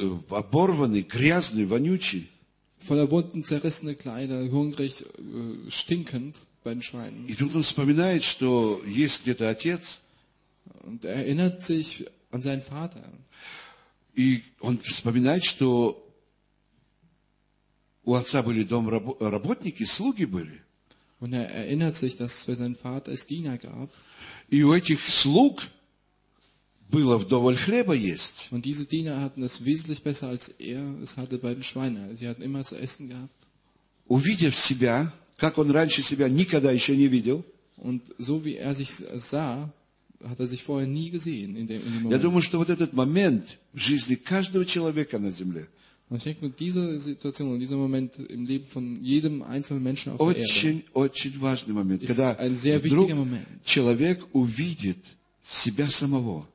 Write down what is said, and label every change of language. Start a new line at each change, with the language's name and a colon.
German: Voller Wunden, zerrissene Kleider, hungrig, stinkend bei den Schweinen. Und er erinnert sich an seinen Vater.
Russian: И он вспоминает, что у отца были домработники, слуги были.
German: Und er erinnert sich, dass es für seinen Vater es Diener gab.
Russian: И у этих слуг было вдоволь хлеба есть.
German: Und diese Diener hatten es wesentlich besser als er. Es hatte bei den Schweinen. Sie hatten immer zu essen gehabt.
Russian: Увидев себя, как он раньше себя никогда еще не видел.
German: Und so wie er sich sah, hat er sich vorher nie gesehen in dem
Russian: Moment. Я думаю, что вот этот момент в жизни каждого человека на земле.
German: Und ich denke mir, diese Situation und dieser Moment im Leben von jedem einzelnen Menschen auf
Russian: очень,
German: der Erde
Russian: очень важный момент,
German: ist ein sehr wichtiger Moment,
Russian: человек увидит себя самого,